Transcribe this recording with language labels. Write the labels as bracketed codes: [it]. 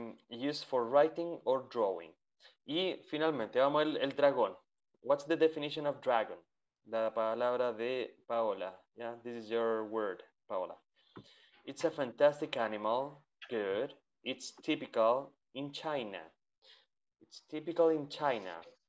[en] Used for writing or drawing. [es] Y finalmente, vamos al dragón. [en] What's the definition of dragon? [es] La palabra de Paola. [en] Yeah, this is your word, Paola. It's a fantastic animal. Good. It's typical in China. It's typical in China.